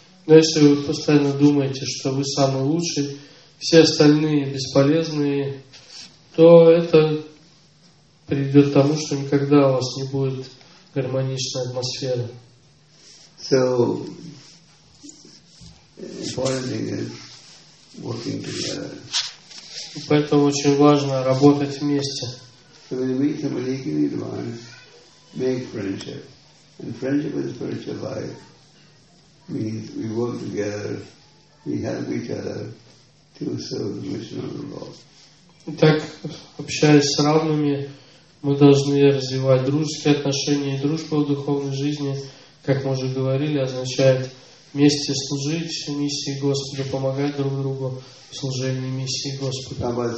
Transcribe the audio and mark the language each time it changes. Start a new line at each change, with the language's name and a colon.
Russian: Но если вы постоянно думаете, что вы самый лучший, все остальные бесполезные, то это приведет к тому, что никогда у вас не будет гармоничной атмосферы.
English: So, important is working together.
Russian: И поэтому очень важно работать вместе.
English: So when you meet somebody, you can advance, make friendship. And friendship is spiritual life. Means we work together, we help each other to serve the mission of the Lord.
Russian: Итак, общаясь с равными, мы должны развивать дружеские отношения и дружбу в духовной жизни, как мы уже говорили, означает вместе служить миссии Господа, помогать друг другу в служении миссии Господа.